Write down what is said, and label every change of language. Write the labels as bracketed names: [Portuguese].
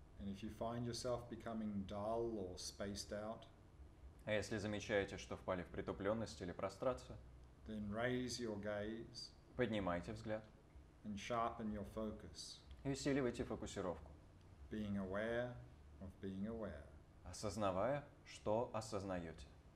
[English] If you find yourself becoming dull or spaced out, [Russian] а если замечаете, что впали в притупленность или прострацию, [English] then raise your gaze, [Russian] поднимайте взгляд, [English] and sharpen your focus, [Russian] и усиливайте фокусировку, [English] being aware of being aware, [Russian] осознавая, что осознаете.